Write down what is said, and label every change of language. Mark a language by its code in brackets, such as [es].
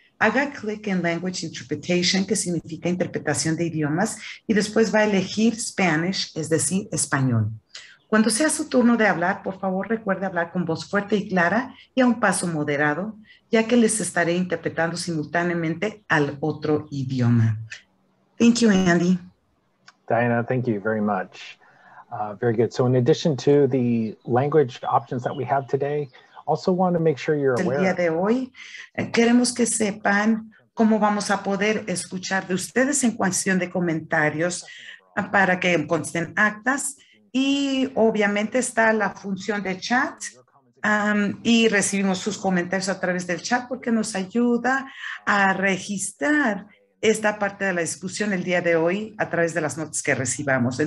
[es] Haga clic en Language Interpretation, que significa interpretación de idiomas, y después va a elegir Spanish, es decir, español. Cuando sea su turno de hablar, por favor recuerde hablar con voz fuerte y clara y a un paso moderado, ya que les estaré interpretando simultáneamente al otro idioma. [en] Thank you, Andy. Diana, thank you very much. Very good. So in addition to the language options that we have today, also want to make sure you're aware. [es] El día de hoy, queremos que sepan cómo vamos a poder escuchar de ustedes en cuestión de comentarios para que consten actas. Y obviamente está la función de chat y recibimos sus comentarios a través del chat porque nos ayuda a registrar esta parte de la discusión el día de hoy a través de las notas que recibamos.